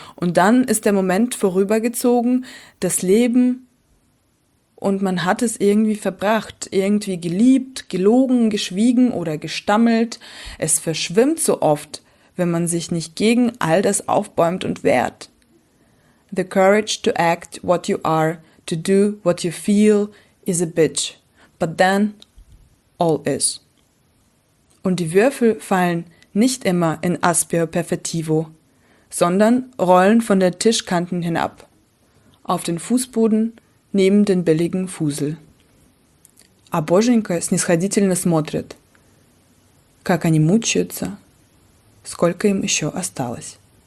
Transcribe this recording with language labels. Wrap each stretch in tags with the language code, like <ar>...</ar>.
<de>Und dann ist der Moment vorübergezogen, das Leben, und man hat es irgendwie verbracht, irgendwie geliebt, gelogen, geschwiegen oder gestammelt. Es verschwimmt so oft, wenn man sich nicht gegen all das aufbäumt und wehrt.</de> <en>The courage to act what you are, to do what you feel, is a bitch. But then, all is.</en> <de>Und die Würfel fallen nicht immer in aspio perfetivo, sondern rollen von der Tischkanten hinab, auf den Fußboden neben den billigen Fusel.</de> <ru>А Боженька снисходительно смотрит, как они мучаются, сколько им еще осталось.</ru>